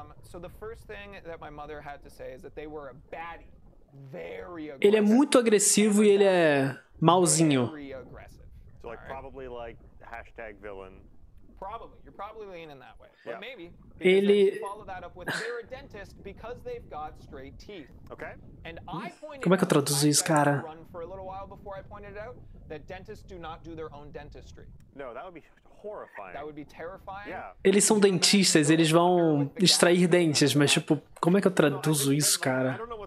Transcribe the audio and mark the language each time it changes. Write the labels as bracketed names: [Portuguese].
[English] So the first thing that my mother had to say is that they were a baddie. Very aggressive. [Portuguese] Ele é muito agressivo e ele é malzinho. [English] So like probably like hashtag villain. Probably. You're probably leaning that way. But maybe. [Portuguese] Ele [English] follow that up with they're a dentist because they've got straight teeth. Okay? And I pointed [Portuguese] Como é que eu traduzo isso, cara? [English] Run for a little while before I pointed out that dentists do not do their own dentistry. No, that would be horrifying. That would be terrifying. Yeah. [Portuguese] Eles são dentistas, eles vão extrair dentes, mas tipo, como é que eu traduzo isso, cara?